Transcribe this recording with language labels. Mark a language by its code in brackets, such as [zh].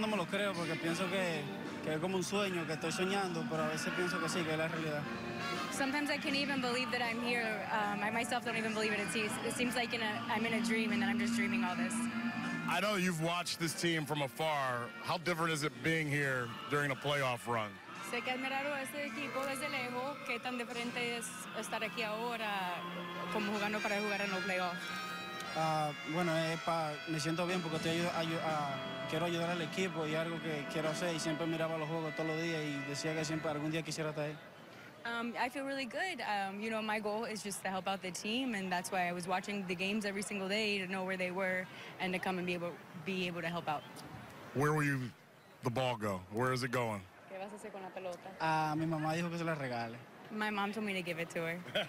[es] no me lo creo porque pienso que es como un sueño que estoy soñando, pero a veces pienso que sí, que es la realidad. [en] Sometimes I can't even believe that I'm here. I myself don't even believe it. It seems like I'm in a dream and that I'm just dreaming all this. I know you've watched this team from afar. How different is it being here during a playoff run? [es] Sé que admirar a este equipo desde lejos, qué tan diferente es estar aquí ahora como jugando para jugar en los playoffs. Me siento bien porque te quiero ayudar al equipo y algo que quiero hacer y siempre miraba los juegos todos los días y decía que siempre algún día quisiera estar ahí. [en] I feel really good. My goal is just to help out the team, and that's why I was watching the games every single day to know where they were and to come and be able to help out. Where will you the ball go? Where is it going? [es] ¿Qué vas a hacer con la pelota? Mi mamá dijo que se la regale. [en] My mom told me to give it to her.